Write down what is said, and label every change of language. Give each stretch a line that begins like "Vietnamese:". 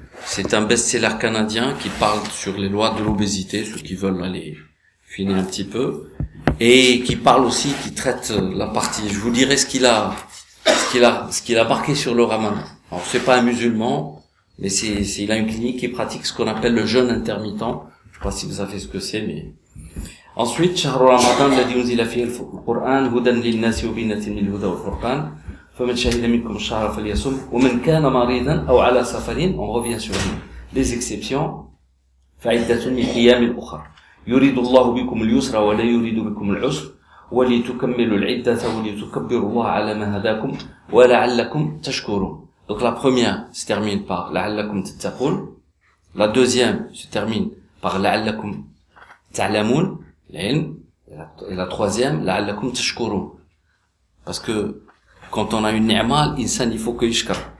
French: C'est un best-seller canadien qui parle sur les lois de l'obésité, ceux qui veulent aller finir un petit peu, et qui parle aussi, qui traite la partie. Je vous dirai ce qu'il a marqué sur le ramadan. Alors c'est pas un musulman, mais c'est il a une clinique qui pratique ce qu'on appelle le jeûne intermittent. Je sais pas si vous savez ce que c'est, mais ensuite,
Arabic: شهر رمضان الذي أنزل فيه القرآن هدى للناس وبينة من الهدى والفرقان فمن شهد منكم الشهر فليصم ومن كان مريضا أو على سفر.
French: On revient sur les exceptions.
Arabic: فعدة من أيام أخرى يريد الله بكم اليسر ولا يريد بكم العسر ولتكملوا العدة ولتكبروا الله على ما هداكم ولعلكم تشكرون.
French: Donc la première se termine par
Arabic: لعلكم تتقون.
French: La deuxième se termine par
Arabic: لعلكم تعلمون. Et la troisième, la'allakum tashkurun.
French: Parce que, quand on a une ni'ma, l'insan, il faut que yishkar.